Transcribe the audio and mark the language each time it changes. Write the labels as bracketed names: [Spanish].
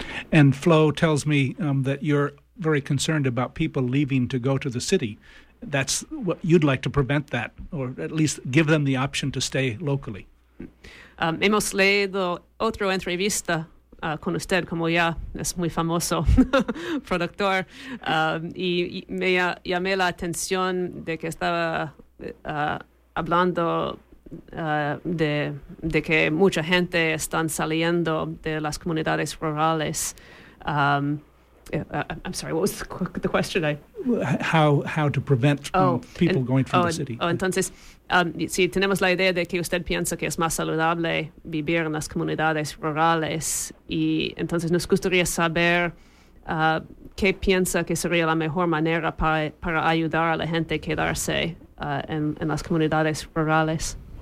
[English] And Flo tells me that you're very concerned about people leaving to go to the city. That's what you'd like to prevent that, or at least give them the option to stay locally. [Spanish] Hemos leído otra entrevista con usted, como ya es muy famoso productor. Y me llamé la atención de que estaba hablando de que mucha gente están saliendo de las comunidades rurales. [English] I'm sorry, what was the question? How to prevent people going from the city. [Spanish] Entonces, si tenemos la idea de que usted piensa que es más saludable vivir en las comunidades rurales, y entonces nos gustaría saber qué piensa que sería la mejor manera para ayudar a la gente a quedarse en las comunidades rurales.